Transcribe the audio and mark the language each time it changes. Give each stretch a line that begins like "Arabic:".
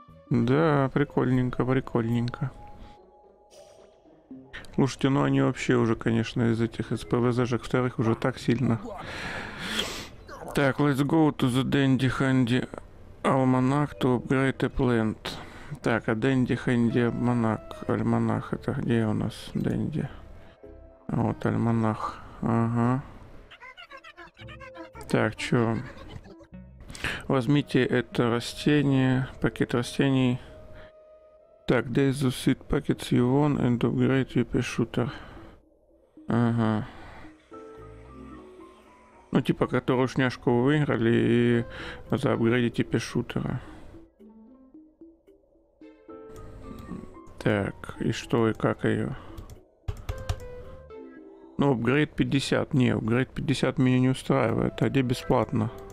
Russian: Да, прикольненько, прикольненько. Слушайте, ну они вообще уже, конечно, из этих СПВЗ-жек вторых уже так сильно.
English: Так, let's go to the Dandy Handy Almanac to upgrade the plant.
Russian: Так, а Dandy Handy Almanac, Almanac, это где у нас Dandy? А вот Almanac, ага. Так, чё? Возьмите это растение, пакет растений.
English: Так, there's the seed packets you want and upgrade your pea-shooter.
Russian: Ага. Ну, типа, которую шняшку вы выиграли, и заапгрейдите пешутера. Так, и что, и как ее? Ну, апгрейд 50. Не, апгрейд 50 меня не устраивает. А где бесплатно?